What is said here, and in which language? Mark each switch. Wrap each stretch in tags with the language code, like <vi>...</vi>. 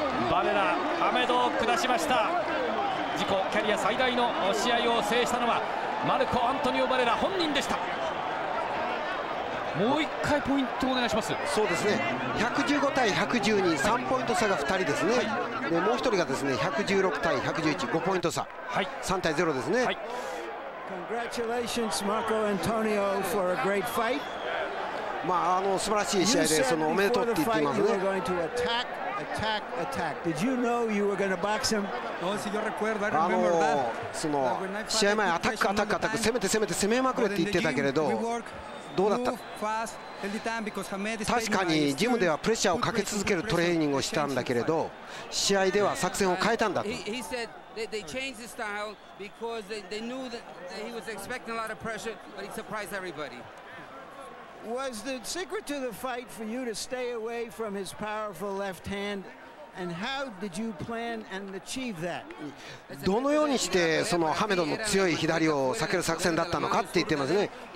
<ja>バレラ、ハメドを下しました。自己キャリア最大の試合を制したのはマルコ・アントニオ・バレラ本人でした。もう一回ポイントお願いします。そうですね、115-112、3ポイント差が2人ですね、はい、もう一人がですね、116-111、5ポイント差、はい、 3-0ですね、はい。</ja> <en>Congratulations, Marco Antonio, for a great fight.</en> <ja>まあ、あの素晴らしい試合で、そのおめでとうって言っていますね。</ja> <en>You said before the fight you were going to attack, attack, attack. Did you know you were going to box him?</en> <ja>あの、その試合前、アタック、アタック、アタック、攻めて、攻めて、攻めまくれって言ってたけれど、どうだった？確かにジムではプレッシャーをかけ続けるトレーニングをしたんだけれど、試合では作戦を変えたんだと。</ja> <en>They changed the style because they knew that he was expecting a lot of pressure, but he surprised everybody. Was the secret to the fight for you to stay away from his powerful left hand, and how did you plan and achieve that?</en> <ja>どのようにしてそのハメドの強い左を避ける作戦だったのかって言ってますね。</ja>